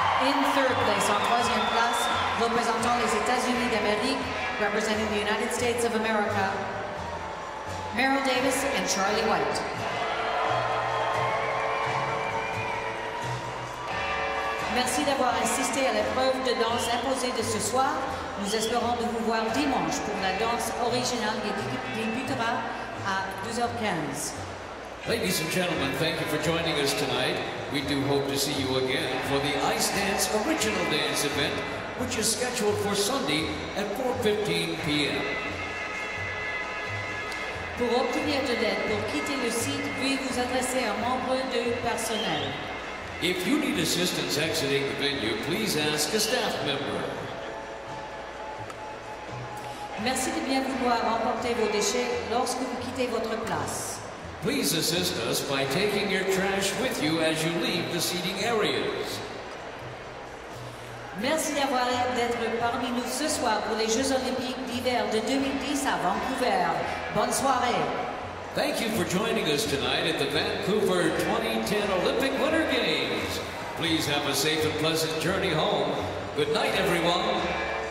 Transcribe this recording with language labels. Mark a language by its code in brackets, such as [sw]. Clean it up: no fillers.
[en] In third place, [fr] en troisième place, representant les États-Unis d'Amérique, [en] representing the United States of America, Meryl Davis and Charlie White. [fr] Merci d'avoir assisté à l'épreuve de danse imposée de ce soir. Nous espérons de vous voir dimanche pour la danse originale qui débutera [en] at 2:15. Ladies and gentlemen, thank you for joining us tonight. We do hope to see you again for the Ice Dance Original Dance event, which is scheduled for Sunday at 4:15 p.m. [fr] Pour obtenir de l'aide pour quitter le site, veuillez vous adresser à un membre du personnel. [en] If you need assistance exiting the venue, please ask a staff member. [fr] Merci de bien vouloir emporter vos déchets lorsque vous quittez votre place. [en] Please assist us by taking your trash with you as you leave the seating areas. [fr] Merci d'avoir l'air d'être parmi nous ce soir pour les Jeux Olympiques d'hiver de 2010 à Vancouver. Bonne soirée. [en] Thank you for joining us tonight at the Vancouver 2010 Olympic Winter Games. Please have a safe and pleasant journey home. Good night, everyone.